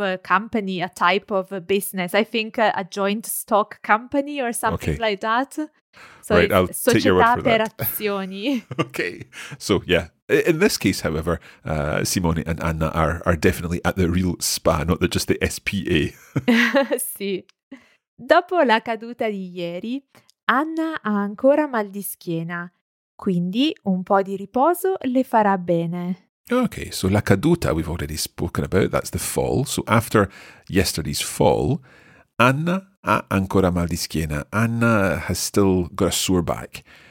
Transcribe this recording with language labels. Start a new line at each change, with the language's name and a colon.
English: It's just like a type of business. I think a joint stock company or something like that. So right, I'll take your word for
Italian: per azioni.
English: Okay. So, yeah. In this case, however, Simone and Anna are definitely at the real spa, not just the SPA.
Italian: Sì. Dopo la caduta di ieri, Anna ha ancora mal di schiena. Quindi un po' di riposo le farà bene.
English: Okay, so la caduta we've already spoken about, that's the fall. So after yesterday's fall,
Italian: Anna ha ancora mal di schiena.
English: Anna has still got a sore back.